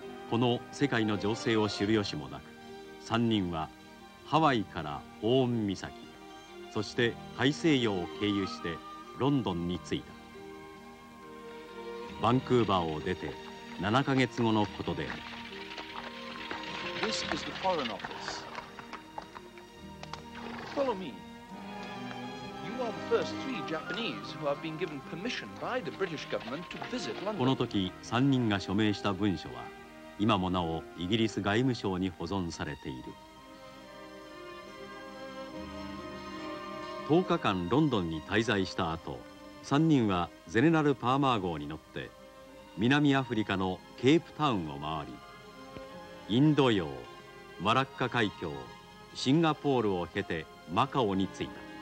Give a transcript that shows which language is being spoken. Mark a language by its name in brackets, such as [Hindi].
[Japanese] この世界の情勢を知る由もなく、3人はハワイからホーン岬、そして大西洋を経由してロンドンに着いた。バンクーバーを出て7ヶ月後のことである。 [English] This is the Foreign Office. Follow me. You are the first. first three Japanese who have been given permission by the British government to visit London. [Japanese] この時、3人が署名した文書は、今もなおイギリス外務省に保存されている。 10日間ロンドンに滞在した後、3人はゼネラル・パーマー号に乗って、南アフリカのケープタウンを回り、インド洋、マラッカ海峡、シンガポールを経てマカオに着いた。